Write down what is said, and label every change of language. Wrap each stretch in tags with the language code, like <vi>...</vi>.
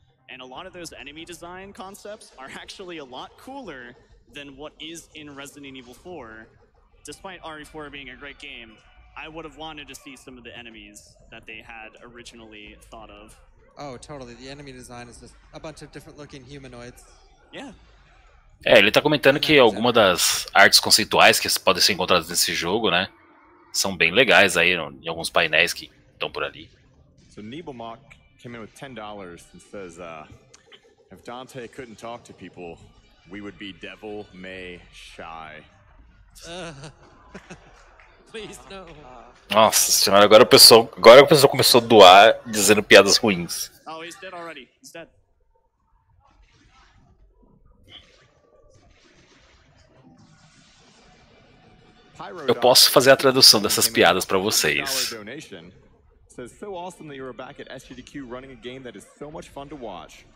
<en>And a lot of those enemy design concepts are actually a lot cooler than what is in Resident Evil 4. Despite RE4 being a great game, I would have wanted to see some of the enemies that they had originally thought of. Oh, totally. The enemy design is just a bunch of different looking humanoids. Yeah.</en> <pt>É, ele tá comentando que algumas das artes conceituais que podem ser encontradas nesse jogo, né, são bem legais aí, em alguns painéis que estão por ali.</pt> <en>So Nibelmok came in with $10 and says, if Dante couldn't talk to people, we would be Devil May Shy. Please, no.</en> <pt>Nossa senhora, agora a pessoa começou a doar dizendo piadas ruins.</pt> <en>Oh, he's dead already. He's dead.</en> <pt>Eu posso fazer a tradução dessas piadas para vocês.</pt> <en>Says so awesome that you're back at SGDQ running a game that is so much fun to watch.</en>